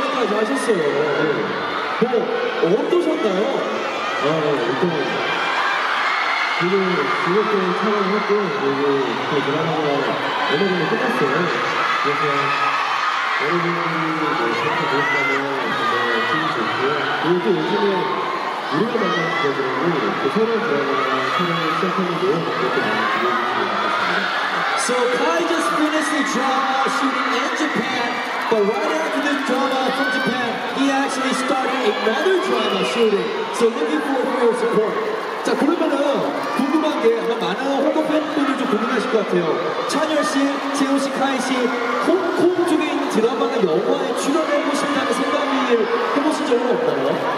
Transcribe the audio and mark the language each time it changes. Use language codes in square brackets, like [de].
[ko] 지금 즐겁게 촬영했고 그리고 이렇게 드라마가 어느 정도 끝났어요. 그래서 여러분들이 저렇게 보셨다면 정말 기분 좋고요. 그리고 또 요즘에 우리가 만나는 기자들하고 새로운 드라마가 촬영을 시작했는데요. 그것도 많이 기대해주시고 [en] So Kai just finished the drama shooting in Japan, but right after the drama from Japan, he actually started another drama shooting. So looking forward for your support. [ko] 자 그러면은 궁금한 게 아마 많은 홍콩 팬분들이 좀 궁금하실 것 같아요. 찬열 씨, 재호 씨, 카이 씨, 홍콩 중에 있는 드라마나 영화에 출연해보고 싶다는 생각이 해보신 적은 없나요?